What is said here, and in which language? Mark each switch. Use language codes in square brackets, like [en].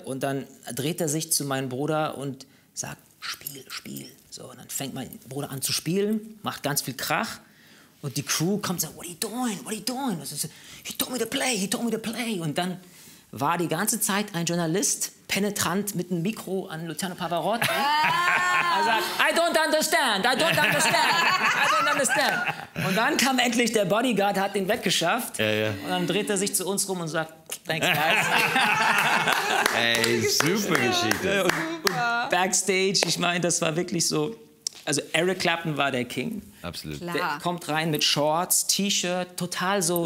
[de] Und dann dreht er sich zu meinem Bruder und sagt, spiel, spiel. So, und dann fängt mein Bruder an zu spielen, macht ganz viel Krach. Und die Crew kommt und sagt, [en] what are you doing, what are you doing? [de] Und so, [en] he told me to play, he told me to play. [de] Und dann war die ganze Zeit ein Journalist penetrant mit einem Mikro an Luciano Pavarotti. Er sagt, [en] I don't understand, I don't understand, I don't understand. [de] Und dann kam endlich der Bodyguard, hat ihn weggeschafft. Ja, ja. Und dann dreht er sich zu uns rum und sagt, [en] thanks guys. [de] Ey, super Geschichte. Und backstage, ich meine, das war wirklich so. Also Eric Clapton war der King. Absolut. Klar. Der kommt rein mit Shorts, T-Shirt, total so.